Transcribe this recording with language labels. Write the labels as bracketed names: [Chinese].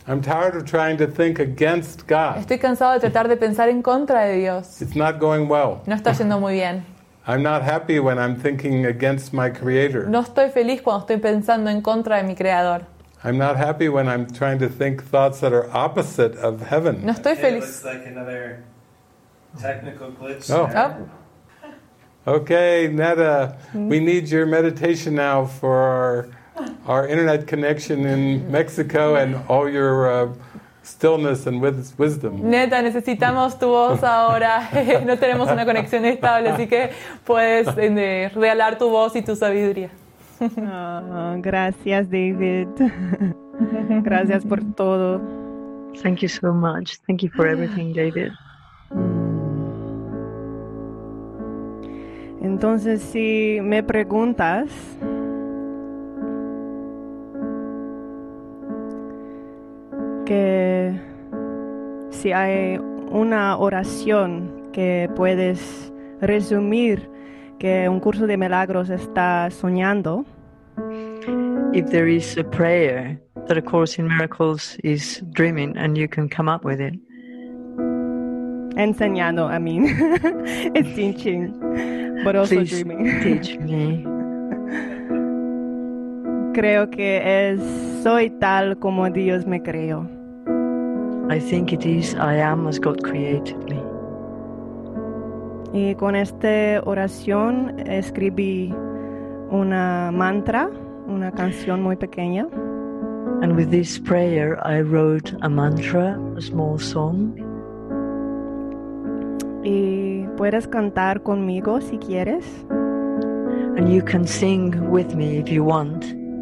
[English] I'm tired of trying to think against God. [Spanish] Estoy cansado de tratar de pensar en contra de Dios. [English] It's not going well. [Spanish] No está yendo muy bien. [English] I'm not happy when I'm thinking against my Creator. [Spanish] No estoy feliz cuando estoy pensando en contra de mi Creador. [English] I'm not happy when I'm trying to think thoughts that are opposite of heaven. [Spanish] No estoy feliz. [English] It looks like another technical glitch. Oh. Oh. Okay, Netta, we need your meditation now for our internet connection in Mexico and all your stillness and wisdom. [Spanish] Neta, necesitamos tu voz ahora. No tenemos una conexión estable, así que puedes regalar tu voz y tu sabiduría. Gracias, David. Gracias por todo. [English] Thank you so much. Thank you for everything, David. [Spanish] Entonces, si me preguntas, que si hay una oración que puedes resumir que un curso de milagros está soñando. [English] If there is a prayer that a Course in Miracles is dreaming and you can come up with it. [Spanish] Enseñando, [English] I mean. It's teaching, but also please dreaming. Please teach me. [Spanish] Creo que es soy tal como Dios me creó. [English] I think it is, I am as God created me. [Spanish] Y con esta oración escribí una mantra, una canción muy pequeña. [English] And with this prayer I wrote a mantra, a small song. [Spanish] Y puedes cantar conmigo si quieres. [English] And you can sing with me if you want.